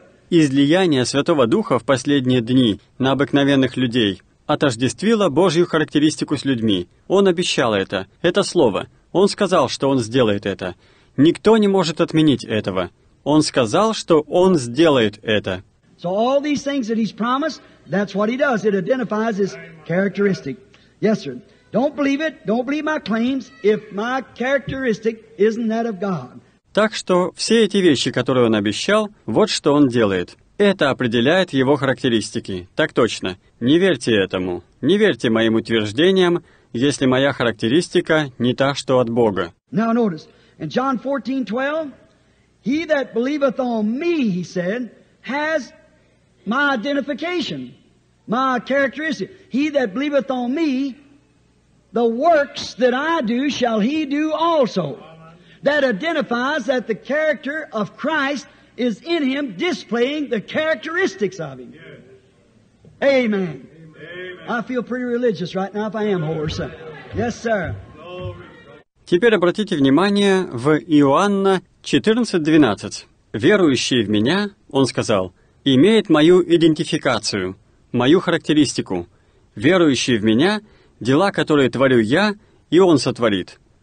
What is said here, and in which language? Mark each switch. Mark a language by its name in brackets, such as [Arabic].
[Russian] Излияние Святого Духа в последние дни на обыкновенных людей отождествило Божью характеристику с людьми. Он обещал это. Это Слово. Он сказал, что Он сделает это. Никто не может отменить этого. Он сказал, что Он сделает это. [English] So all these things that He's promised, that's what He does. It identifies His characteristic. Yes, sir. Don't believe it. Don't believe my claims if my characteristic isn't that of God. [Russian] Так что все эти вещи, которые Он обещал, вот что Он делает. Это определяет Его характеристики. Так точно. Не верьте этому. Не верьте моим утверждениям, если моя характеристика не та, что от Бога. [English] Now notice, in John 14:12, He that believeth on me, he said, has my identification, my characteristic. He that believeth on me, the works that I do shall he do also. That identifies that the character of Christ is in him displaying the characteristics of him. Yes. Amen. Amen. I feel pretty religious right now if I am hoarse. Yes, sir. [Russian] Теперь обратите внимание в Иоанна 14:12. «Верующий в Меня, — Он сказал, — имеет Мою идентификацию, Мою характеристику. Верующий в Меня, дела, которые творю Я, и Он сотворит.